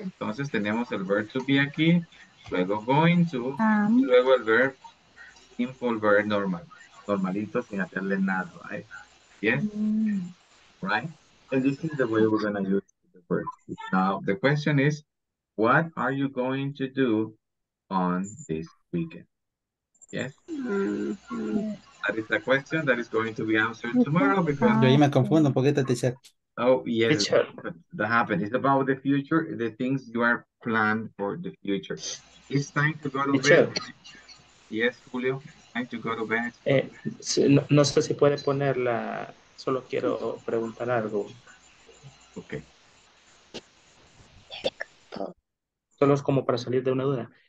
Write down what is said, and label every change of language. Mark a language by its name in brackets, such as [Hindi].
[Spanish] Entonces tenemos el [English] verb to be [Spanish] aquí, luego [English] going to, [Spanish] y luego el verb, [English] simple verb [Spanish] normal. Normalito sin hacerle nada, [English] right? Yes? Right? And this is the way we're going to use the verb. Now, the question is, what are you going to do on this weekend? Yes? That is the question that is going to be answered tomorrow because [Spanish] yo ahí me confundo un poquito, teacher. [English] Oh, yes. Teacher. that happened. It's about the future, the things you are planned for the future. It's time to go to bed. Yes, Julio, time to go to bed. [Spanish] No, no sé si puede ponerla, solo quiero preguntar algo. [English] Okay. [Spanish] Solo es como para salir de una duda.